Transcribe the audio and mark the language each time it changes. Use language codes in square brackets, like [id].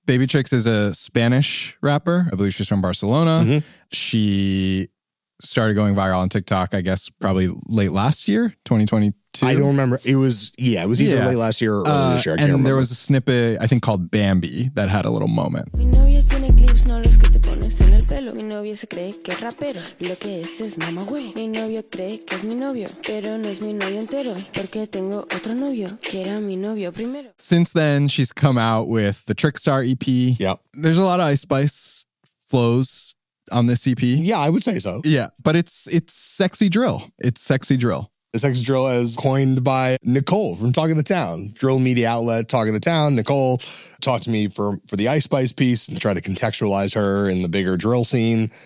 [en] Baby Trix is a Spanish rapper. I believe she's from Barcelona. Mm-hmm. She started going viral on TikTok, I guess, probably late last year, 2022. I don't remember. It was, it was either late last year or early this year. And there was a snippet, I think called Bambi, that had a little moment. [es] Mi novio se cree que es rapero, lo que es mamá güey. Mi novio cree que es mi novio, pero no es mi novio entero, porque tengo otro novio que era mi novio primero. [en] Since then, she's come out with the Trickstar EP. Yep. There's a lot of Ice Spice flows on this EP. Yeah, I would say so. Yeah, but it's sexy drill. It's sexy drill. The sexy drill is coined by Nicole from Talking the Town. Drill media outlet, Talking the Town. Nicole talked to me for the Ice Spice piece and tried to contextualize her in the bigger drill scene.